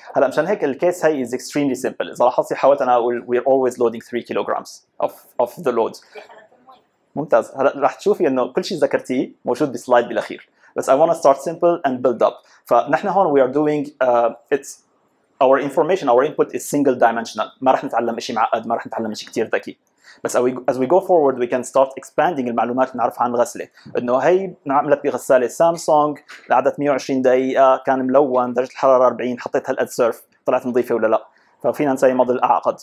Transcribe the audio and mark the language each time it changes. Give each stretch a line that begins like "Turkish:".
Arabic: هلا مشان هيك الكيس هاي
English: is extremely simple.
Arabic: إذا لاحظتي حاولت أنا أقول
English: we're always loading 3 kilograms of the load.
Arabic: ممتاز. هلا راح تشوفي إنه كل شيء ذكرتيه موجود بسلايد بالأخير.
English: But I want to start simple and build up.
Arabic: فنحن هون
English: we are doing it's our information, our input is single dimensional.
Arabic: ما راح نتعلم إشي معقد, ما راح نتعلم إشي كتير ذكي. بس
English: as we go forward we can start expanding
Arabic: المعلومات اللي نعرفها عن الغسلة. إنه هي عملت بغسالة سامسونج لعدة 120 دقيقة, كان ملون, درجة الحرارة 40, حطيتها الأد سيرف طلعت نظيفة ولا لا. ففينا نسوي موديل أعقد.